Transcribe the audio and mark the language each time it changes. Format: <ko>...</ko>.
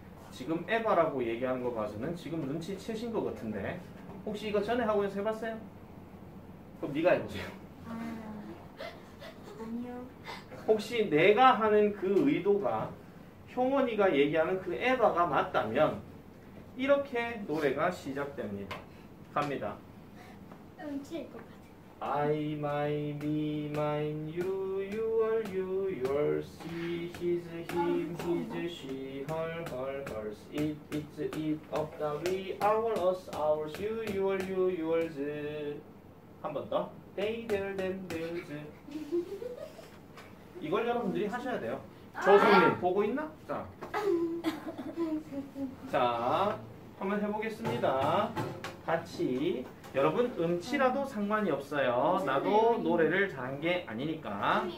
<ko>지금 에바라고 얘기한 거 봐서는 지금 눈치 채신 것 같은데 혹시 이거 전에 학원에서 해봤어요? 그럼 네가 해보세요. 혹시 내가 하는 그 의도가 효원이가 얘기하는 그 에바가 맞다면 이렇게 노래가 시작됩니다. 갑니다. 음치일 것 같아요.</ko> <en>I, my, me, mine, you, you are you, your, she, his, him, his, she, her, her, hers, it, it's, it, of the, we, our, us, ours, you, you are you, yours.</en> <ko>한 번 더.</ko> <en>They, their, them, theirs.</en> <ko>이걸 여러분들이 하셔야 돼요. 조성민 아! 보고 있나? 자, 자 한번 해보겠습니다. 같이 여러분 음치라도 상관이 없어요. 나도 노래를 잘한 게 아니니까.</ko>